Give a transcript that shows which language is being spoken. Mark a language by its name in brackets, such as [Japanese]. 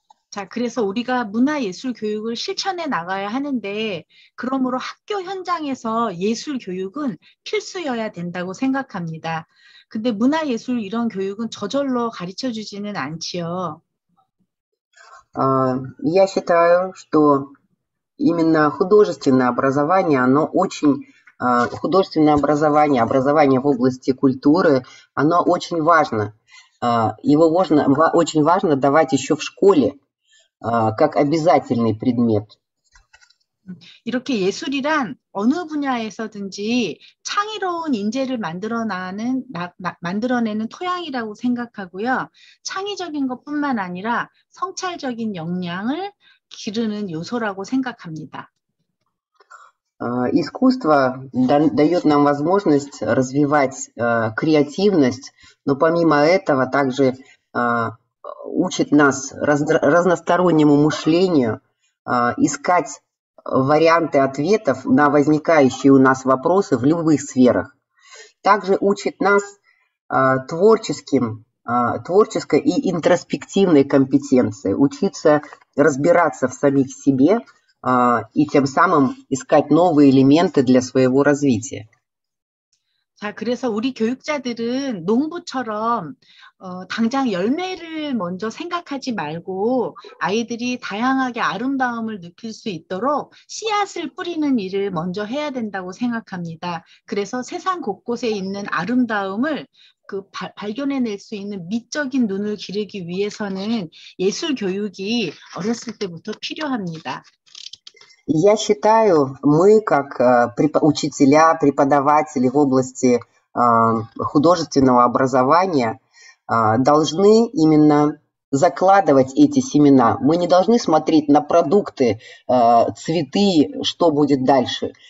[Korean] 자, 그래서 우리가 문화예술 교육을 실천해 나가야 하는데 그러므로 학교 현장에서 예술 교육은 필수여야 된다고 생각합니다. 근데 문화예술 이런 교육은 저절로 가르쳐 주지는 않지요. [Russian] Я считаю, что именно художественное образование, оно очень художественное образование, образование в области культуры, оно очень важно. Его можно, очень важно давать еще в школе. Как обязательный предмет. [Korean] 이렇게 예술이란 어느 분야에서든지 창의로운 인재를 만들어내는 토양이라고 생각하고요. 창의적인 것뿐만 아니라 성찰적인 역량을 기르는 요소라고 생각합니다. [Russian] Искусство дает нам возможность развивать креативность, но помимо этого также учит нас разностороннему мышлению, искать варианты ответов на возникающие у нас вопросы в любых сферах. Также учит нас творческой и интроспективной компетенции, учиться разбираться в самих себе и тем самым искать новые элементы для своего развития. [Korean] 자, 그래서 우리 교육자들은 농부처럼 당장 열매를 먼저 생각하지 말고 아이들이 다양하게 아름다움을 느낄 수 있도록 씨앗을 뿌리는 일을 먼저 해야 된다고 생각합니다. 그래서 세상 곳곳에 있는 아름다움을 그 발견해낼 수 있는 미적인 눈을 기르기 위해서는 예술 교육이 어렸을 때부터 필요합니다. [Russian] Я считаю, мы как учителя, преподаватели в области художественного образования должны именно закладывать эти семена. Мы не должны смотреть на продукты, цветы, что будет дальше.